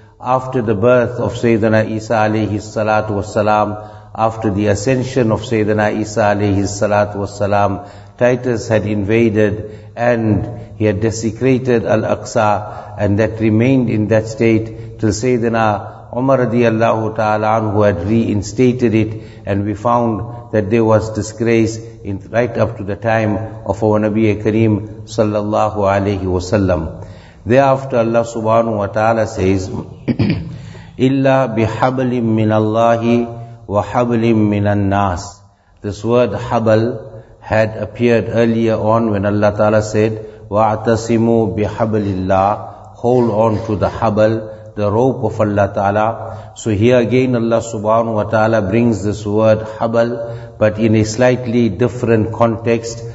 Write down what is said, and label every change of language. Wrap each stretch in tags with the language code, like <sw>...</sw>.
<en>After the birth of Sayyidina Isa alayhi salatu wasalam, after the ascension of Sayyidina Isa alayhi salatu wasalam, Titus had invaded and he had desecrated Al-Aqsa, and that remained in that state till Sayyidina Umar radiallahu ta'ala anhu had reinstated it, and we found that there was disgrace in right up to the time of our Nabi Kareem sallallahu alayhi wasallam. Thereafter Allah subhanahu wa ta'ala says,</en> <ar>إِلَّا بِحَبْلٍ مِّنَ اللَّهِ وَحَبْلٍ مِّنَ النَّاسِ.</ar> <en>This word habal had appeared earlier on when Allah Ta'ala said,</en> <ar>وَاعْتَصِمُوا بِحَبْلِ اللَّهِ.</ar> <en>Hold on to the habal, the rope of Allah Ta'ala. So here again Allah Subhanahu wa Ta'ala brings this word habal, but in a slightly different context.</en>